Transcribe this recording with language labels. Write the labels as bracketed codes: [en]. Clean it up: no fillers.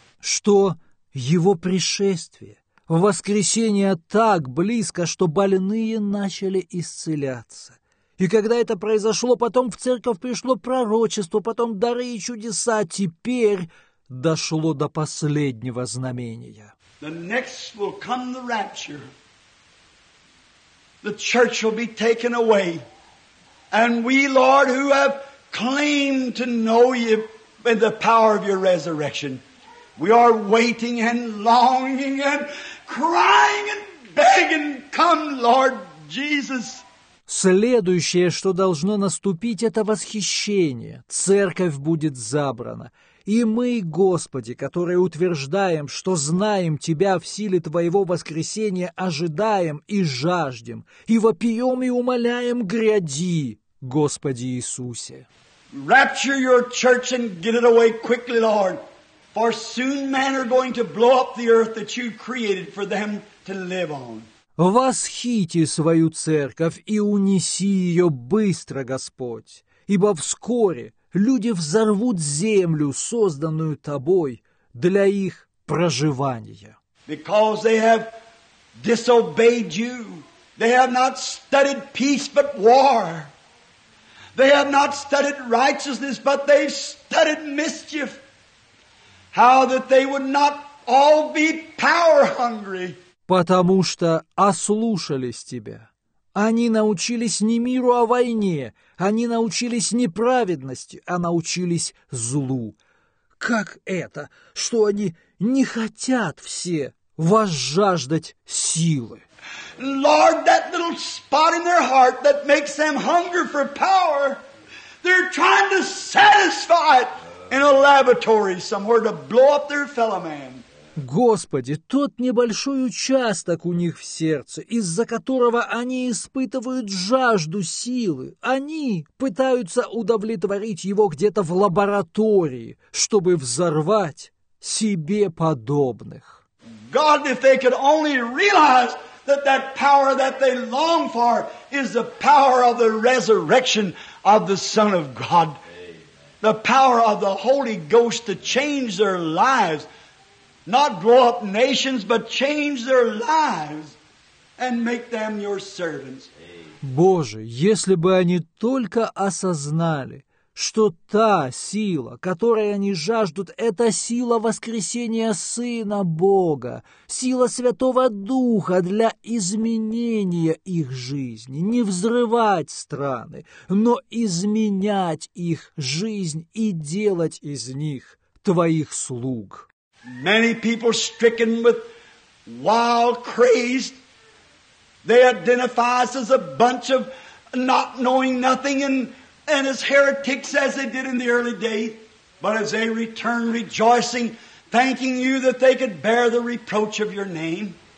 [ru] Что его пришествие в воскресение так близко, что больные начали исцеляться. И когда это произошло, потом в церковь пришло пророчество, потом дары и чудеса, теперь дошло до последнего знамения. [en] The next will come the rapture. The church will be taken away. And we, Lord, who have claimed to know you by the power of your resurrection, we are waiting and longing and crying and begging, come, Lord Jesus. [ru] Следующее, что должно наступить, это восхищение. Церковь будет забрана. И мы, Господи, которые утверждаем, что знаем Тебя в силе Твоего воскресения, ожидаем и жаждем, и вопием и умоляем, гряди, Господи Иисусе. [en] Rapture your church and get it away quickly, Lord. For soon men are going to blow up the earth that you created for them to live on. [ru] Восхити свою церковь и унеси ее быстро, Господь, ибо вскоре люди взорвут землю, созданную Тобой, для их проживания. [en] Because they have disobeyed you. They have not studied peace, but war. They have not studied righteousness, but they've studied mischief. How that they would not all be power hungry. [ru] Потому что ослушались Тебя. Они научились не миру, а войне. Они научились неправедности, а научились злу. Как это, что они не хотят все возжаждать силы? [en] Lord, that little spot in their heart that makes them hunger for power, they're trying to satisfy it. In a laboratory somewhere to blow up their fellow man. [ru] Господи, тот небольшой участок у них в сердце, из-за которого они испытывают жажду силы, они пытаются удовлетворить его где-то в лаборатории, чтобы взорвать себе подобных. [en] God, if they could only realize that that power that they long for is the power of the resurrection of the Son of God. The power of the Holy Ghost to change their lives. Not blow up nations, but change their lives and make them your servants. [ru] Боже, если бы они только осознали, что та сила, которой они жаждут, это сила воскресения Сына Бога, сила Святого Духа для изменения их жизни, не взрывать страны, но изменять их жизнь и делать из них Твоих слуг. [en] Many people stricken with wild craze, they identify us as a bunch of not knowing nothing and as heretics as they did in the early day, but as they return rejoicing, thanking you that they could bear the reproach of your name.